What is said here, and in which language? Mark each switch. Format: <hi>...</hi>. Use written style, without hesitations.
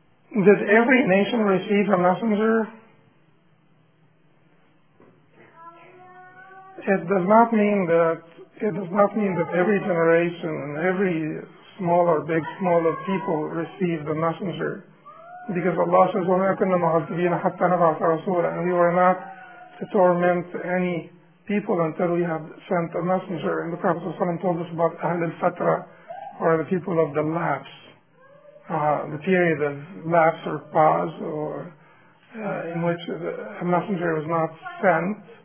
<en>Did every nation receive a messenger? It does not mean that every generation and every small or big small of people received a messenger. Because Allah says,</en> <ar>وَمَا كُنَّ مُعَذِّبِينَ حَتَّى نَبْعَثَ رَسُولًا.</ar> <en>And we were not to torment any people until we have sent a messenger. And the Prophet ﷺ told us about Ahl al-Fatra, or the people of the lapse, the period of lapse or pause, or in which a messenger was not sent.</en>